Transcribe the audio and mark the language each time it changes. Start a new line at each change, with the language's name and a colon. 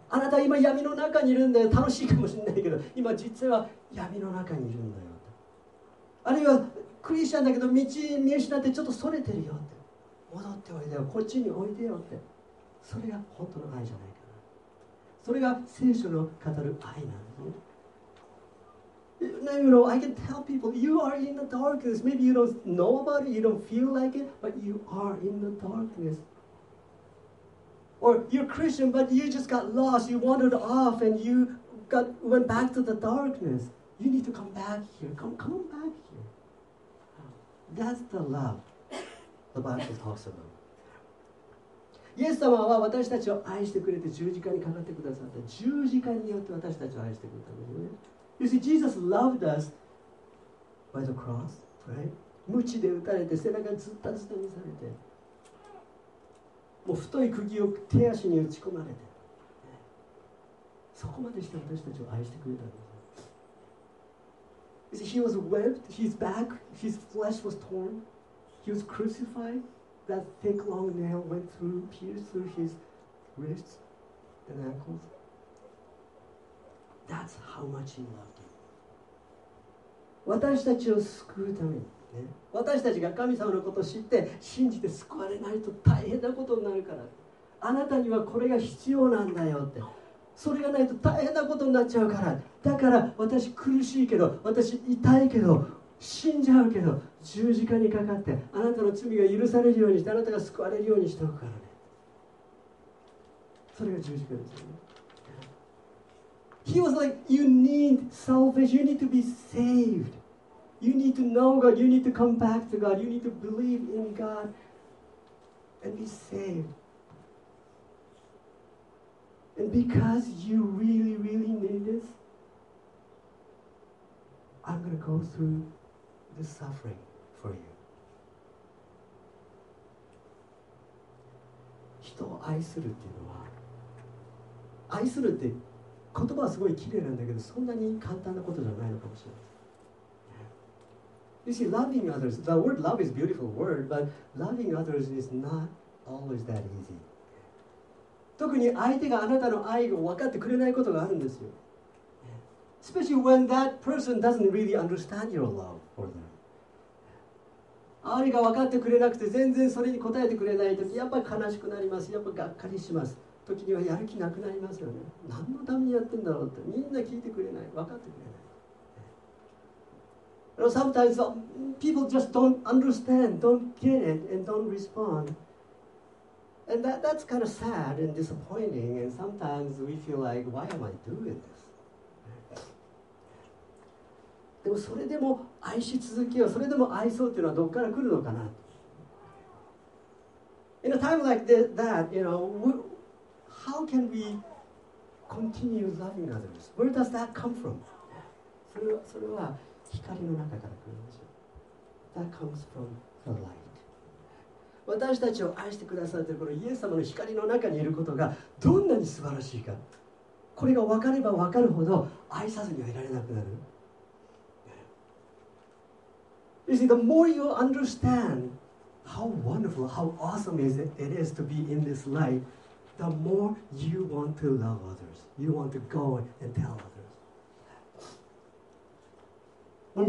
Japanese: だ今闇の中にいるんだよ、楽しいかもしれないけど今実は闇の中にいるんだよ、あるいはクリスチャンだけど道見失ってちょっとそれてるよって、戻っておいでよ、こっちにおいでよって、それが本当の愛じゃないかな、それが聖書の語る愛なの。
English: Now, you know, I can tell people, you are in the darkness. Maybe you don't know about it, you don't feel like it, but you are in the darkness. Or you're Christian, but you just got lost, you wandered off, and you got, went back to the darkness. You need to come back here. Come back here. That's the love the Bible talks about.
Japanese: イエス様は私たちを愛してくれて十字架にかかってくださった。十字架によって私たちを愛してくれたのね。
English: You see, Jesus loved us by the cross, right?
Japanese: 鞭で打たれて、背中にズッタズタにされて、もう太い釘を手足に打ち込まれて、そこまでして私たちを愛してくれたんです。
English: You see, he was whipped, his back, his flesh was torn, he was crucified, that thick long nail went through, pierced through his wrists and ankles. That's how much he loved you.
Japanese: 私たちを救うために、ね、私たちが神様のことを知って信じて救われないと大変なことになるから、あなたにはこれが必要なんだよって、それがないと大変なことになっちゃうから、だから私苦しいけど、私痛いけど、死んじゃうけど、十字架にかかってあなたの罪が許されるようにして、あなたが救われるようにしておくからね。それが十字架ですよね。
English: He was like, you need salvation, you need to be saved. You need to know God, you need to come back to God, you need to believe in God and be saved. And because you really, really need this, I'm going to go through the suffering for you.
Japanese: 人を愛するっていうのは、愛するって言葉はすごい綺麗なんだけど、そんなに簡単なことじゃないのかもしれない。
English: You see, loving others, the word love is a beautiful word, but loving others is not always that easy.
Japanese: 特に相手があなたの愛を分かってくれないことがあるんですよ。
English: Especially when that person doesn't really understand your love for them.
Japanese: 愛が分かってくれなくて、全然それに応えてくれないとき、やっぱり悲しくなります。やっぱがっかりします。時にはやる気なくなりますよね。何のためにやってんだろうって、みんな聞いてくれない、分かってくれない。
English: Sometimes people just don't understand, don't get it, and don't respond. And that's kind of sad and disappointing, and sometimes we feel like, why am I doing this?
Japanese: でもそれでも愛し続けよう、それでも愛そうっていうのはどっから来るのかな。
English: In a time like that, you know,How can we continue loving others? Where does that come from?
Japanese: それは光の中から来るんですよ。
English: That comes from the light.
Japanese: 私たちを愛してくださっているこのイエス様の光の中にいることがどんなに素晴らしいか。これが分かれば分かるほど愛さずにはいられなくなる。
English: You see, the more you understand how wonderful, how awesome it is to be in this light,The more you want to love others, you want to go and tell others.